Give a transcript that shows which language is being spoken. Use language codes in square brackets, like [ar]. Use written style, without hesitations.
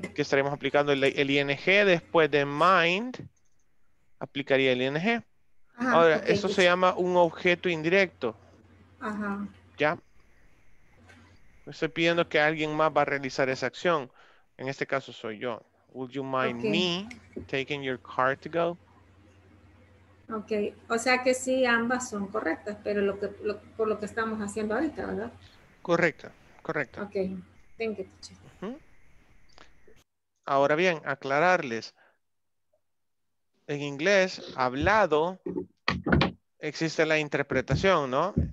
[es] Que estaremos aplicando el ING después de mind, aplicaría el ING. Ajá, ahora, okay, eso se llama un objeto indirecto. Ajá. ¿Ya? Estoy pidiendo que alguien más va a realizar esa acción. En este caso soy yo. [en] Would you mind me taking your car to go? Ok. [es] O sea que sí, ambas son correctas, pero por lo que estamos haciendo ahorita, ¿verdad? Correcto. [en] Ok. Thank you, teacher. [es] Ahora bien, aclararles, en inglés, hablado, existe la interpretación, ¿no?